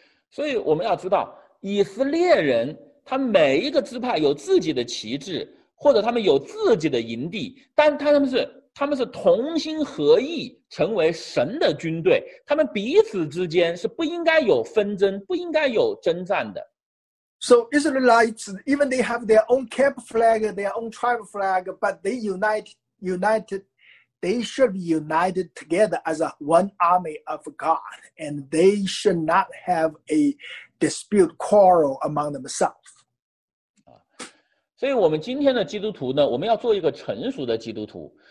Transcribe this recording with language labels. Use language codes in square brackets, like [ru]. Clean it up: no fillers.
[zh] 所以我们要知道，以色列人他每一个支派有自己的旗帜，或者他们有自己的营地，但他们是同心合意成为神的军队，他们彼此之间是不应该有纷争，不应该有征战的。 [en] So Israelites, even they have their own camp flag, their own tribe flag, but they united. They should be united together as a one army of God, and they should not have a dispute quarrel among themselves. [zh] 所以我们今天的基督徒呢，我们要做一个成熟的基督徒。